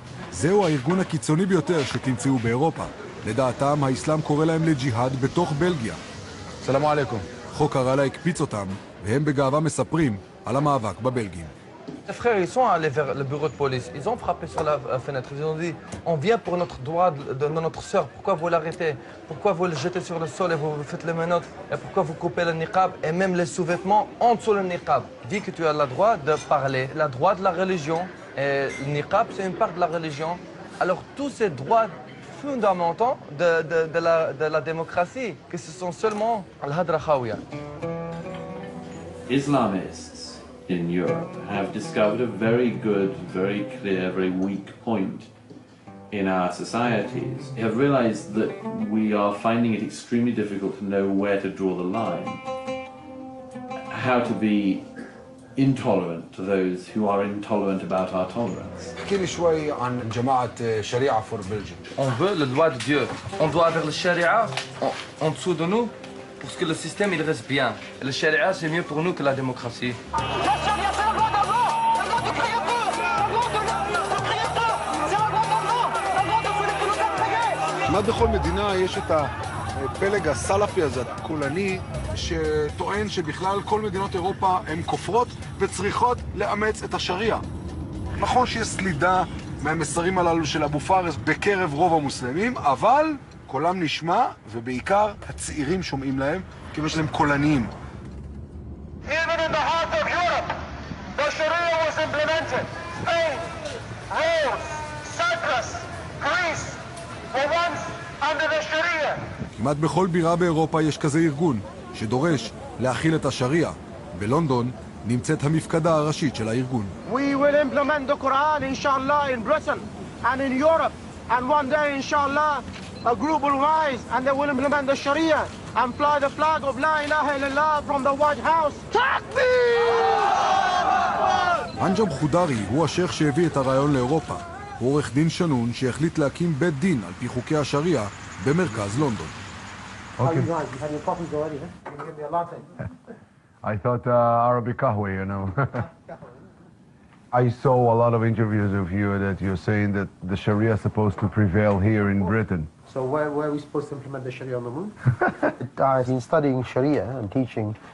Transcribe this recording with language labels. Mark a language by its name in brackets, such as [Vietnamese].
[Hebrew] זהו הארגון הקיצוני ביותר שתמצאו באירופה. לדעתם, האסלאם קורא להם לג'יהאד בתוך בלגיה. [Arabic] סלאם עליכום. [Hebrew] חוק הרעלה הקפיץ אותם, והם בגאווה מספרים על המאבק בבלגים. [French] Les frères, ils sont allés vers le bureau de police. Ils ont frappé sur la fenêtre. Ils ont dit, on vient pour notre droit de notre sœur. Pourquoi vous l'arrêtez? Pourquoi vous le jetez sur le sol et vous faites les menottes? Et pourquoi vous coupez le niqab et même les sous-vêtements en dessous le niqab? Dis que tu as le droit de parler, le droit de la religion. Et le niqab, c'est une part de la religion. Alors tous ces droits fondamentaux de la démocratie, que ce sont seulement al-hadra khawiya. [English] Islamistes. In Europe have discovered a very good, very clear, very weak point in our societies. They have realized that we are finding it extremely difficult to know where to draw the line, how to be intolerant to those who are intolerant about our tolerance. Tell me a little bit about the Jama'at Sharia for Belgium. [French] On veut le droit de Dieu. On doit avoir le Sharia en dessous de nous. Parce que le système, il reste bien. Le sharia, c'est mieux pour nous que la démocratie. Le sharia, c'est la loi d'Allah, la loi du créateur, la loi de l'homme, le créateur. C'est la loi d'Allah, la loi de la [Hebrew] פלג הסלאפי הזה, הקולני, שטוען שבכלל כל מדינות אירופה הן כופרות וצריכות לאמץ את השריעה. נכון שיש סלידה מהמסרים הללו של אבו פארס בקרב רוב המוסלמים, אבל קולם נשמע, ובעיקר הצעירים שומעים להם, כיוון שהם קולניים. [English] Even in the heart of Europe, the Sharia was implemented. Spain, Rome, Cyprus, Greece, were once under the Sharia. [Hebrew] כמעט בכל בירה באירופה יש כזה ארגון, שדורש להכיל את השריעה. בלונדון נמצאת המפקדה הראשית של הארגון. [English] We will implement the Quran, inshallah, in Britain, and in Europe, and one day, inshallah, a group will rise and they will implement the Sharia and fly the flag of [Arabic] La ilaha illallah [English] from the White House. [Arabic] Takbir! [Hebrew] Anjam Khudari, הוא השייח שהביא את הרעיון לאירופה. הוא עורך דין שנון שהחליט להקים בית דין על פי חוקי השריעה במרכז לונדון. [English] Okay. How are you guys? You have your coffees already, huh? You can give me a latte. I thought Arabic kahwe, you know. I saw a lot of interviews of you that you're saying that the Sharia is supposed to prevail here in Britain. So where are we supposed to implement the Sharia on the moon? I've been studying Sharia and teaching